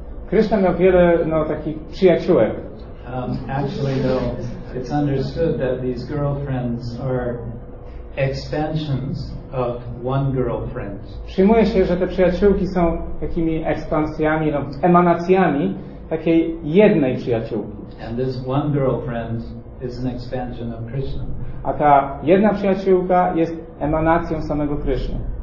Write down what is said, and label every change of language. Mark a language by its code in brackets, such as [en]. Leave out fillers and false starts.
[pl] Krishna miał wiele takich przyjaciółek. [en] Actually, though, it's understood that these girlfriends are expansions of one girlfriend. [pl] Przyjmuje się, że te przyjaciółki są takimi ekspansjami, no, emanacjami takiej jednej przyjaciółki. [en] And this one girlfriend is an expansion of Krishna. [pl] A ta jedna przyjaciółka jest emanacją samego Krishna.